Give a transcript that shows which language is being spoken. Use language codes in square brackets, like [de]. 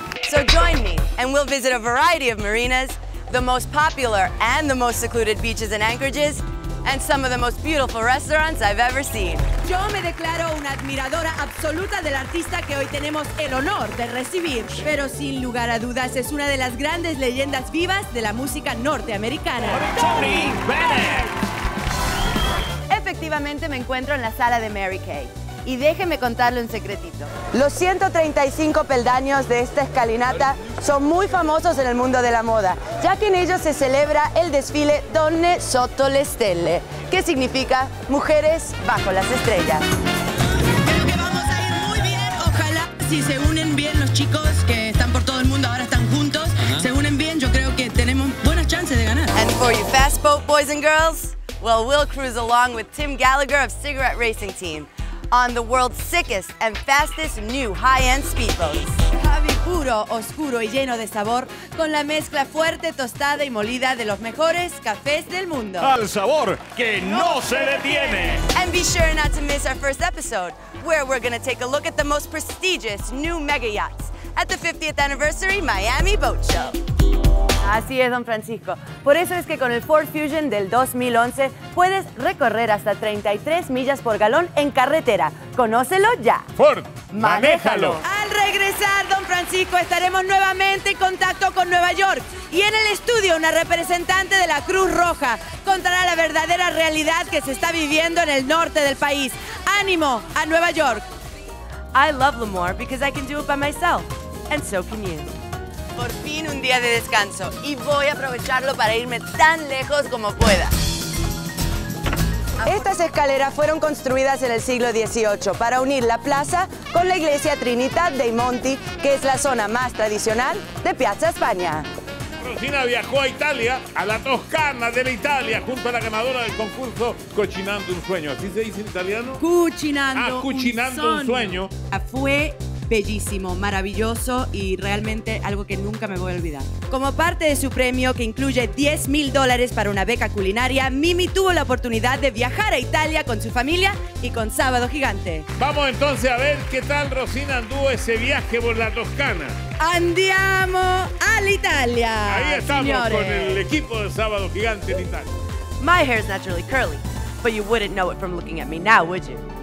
[en] So join me and we'll visit a variety of marinas, the most popular and the most secluded beaches and anchorages, and some of the most beautiful restaurants I've ever seen. [es] Yo me declaro una admiradora absoluta del artista que hoy tenemos el honor de recibir. Pero sin lugar a dudas, es una de las grandes leyendas vivas de la música norteamericana. Tony Bennett. Efectivamente, me encuentro en la sala de Mary Kay. Y déjeme contarlo en secretito. Los 135 peldaños de esta escalinata son muy famosos en el mundo de la moda, ya que en ellos se celebra el desfile Donne Sotto le Stelle, que significa mujeres bajo las estrellas. Creo que vamos a ir muy bien. Ojalá si se unen bien los chicos que están por todo el mundo, ahora están juntos, se unen bien, yo creo que tenemos buenas chances de ganar. [en] And for you fast boat boys and girls, well, we'll cruise along with Tim Gallagher of Cigarette Racing Team on the world's sickest and fastest new high-end speedboats. [es] Javi puro, oscuro y lleno de sabor con la mezcla fuerte, tostada y molida de los mejores cafés del mundo. Al sabor que no se detiene. [en] And be sure not to miss our first episode where we're gonna take a look at the most prestigious new mega yachts at the 50th anniversary Miami Boat Show. [es] Así es, don Francisco. Por eso es que con el Ford Fusion del 2011 puedes recorrer hasta 33 millas por galón en carretera. ¡Conócelo ya! ¡Ford, manéjalo! Al regresar, don Francisco, estaremos nuevamente en contacto con Nueva York. Y en el estudio, una representante de la Cruz Roja contará la verdadera realidad que se está viviendo en el norte del país. ¡Ánimo a Nueva York! [en] I love Lemoore because I can do it by myself. And so can you. [es] Por fin un día de descanso y voy a aprovecharlo para irme tan lejos como pueda. Estas escaleras fueron construidas en el siglo XVIII para unir la plaza con la iglesia Trinidad dei Monti, que es la zona más tradicional de Piazza España. Rosina viajó a Italia, a la Toscana de la Italia, junto a la ganadora del concurso Cocinando un Sueño. ¿Así se dice en italiano? Cucinando un sueño. Fue bellísimo, maravilloso y realmente algo que nunca me voy a olvidar. Como parte de su premio, que incluye $10,000 para una beca culinaria, Mimi tuvo la oportunidad de viajar a Italia con su familia y con Sábado Gigante. Vamos entonces a ver qué tal Rosina anduvo ese viaje por la Toscana. [it] ¡Andiamo all'Italia! [es] Ahí estamos, señores, con el equipo de Sábado Gigante en Italia. [en] My hair is naturally curly, but you wouldn't know it from looking at me now, would you?